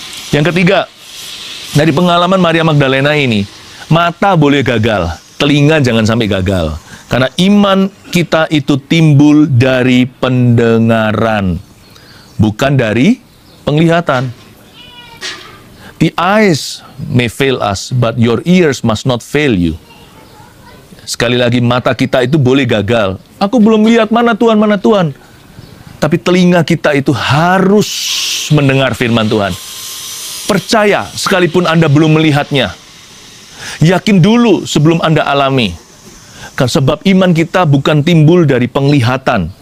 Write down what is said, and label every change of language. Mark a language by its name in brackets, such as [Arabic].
[Indonesian] Yang ketiga, dari pengalaman Maria Magdalena ini, mata boleh gagal, telinga jangan sampai gagal. Karena iman kita itu timbul dari pendengaran, bukan dari penglihatan. [English] The eyes may fail us, but your ears must not fail you. [Indonesian] Sekali lagi, mata kita itu boleh gagal. Aku belum lihat mana Tuhan. Tapi telinga kita itu harus mendengar firman Tuhan. Percaya sekalipun Anda belum melihatnya. Yakin dulu sebelum Anda alami. Karena sebab iman kita bukan timbul dari penglihatan.